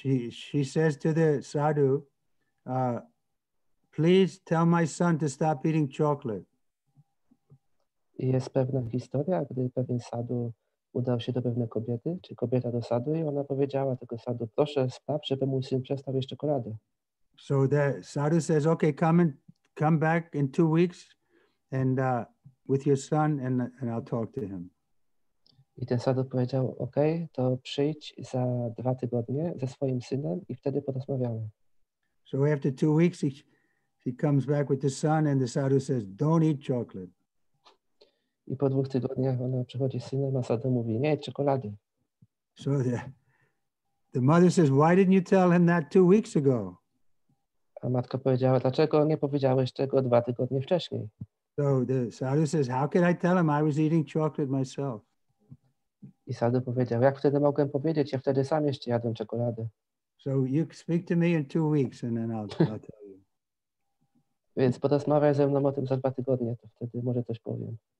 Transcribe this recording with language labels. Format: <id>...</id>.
<en>She says to the sadhu, please tell my son to stop eating chocolate.</en> <pl>Jest pewna historia, gdy pewien sadhu udał się do pewnej kobiety, czy kobieta do sadhu, i ona powiedziała tego sadhu, proszę spraw, żeby mój syn przestał jeść czekoladę.</pl> <en>So the sadhu says, okay, come back in 2 weeks and with your son and I'll talk to him.</en> <pl>I ten sadhu powiedział, okay, to przyjdź za 2 tygodnie ze swoim synem i wtedy porozmawiamy.</pl> <en>So after 2 weeks he comes back with the son and the sadhu says, don't eat chocolate.</en> <pl>I po 2 tygodniach ona przychodzi z synem, a sadhu mówi, nie jedz czekolady.</pl> <en>So the mother says, why didn't you tell him that 2 weeks ago?</en> <pl>A matka powiedziała, dlaczego nie powiedziałeś tego 2 tygodnie wcześniej?</pl> <en>So the sadhu says, how can I tell him I was eating chocolate myself?</en> <pl>I sadhu powiedział, jak wtedy mogłem powiedzieć, ja wtedy sam jeszcze jadłem czekoladę.</pl> <en>So you speak to me in 2 weeks and then I'll tell you.</en> <pl>Więc porozmawiaj ze mną o tym za 2 tygodnie, to wtedy może coś powiem.</pl>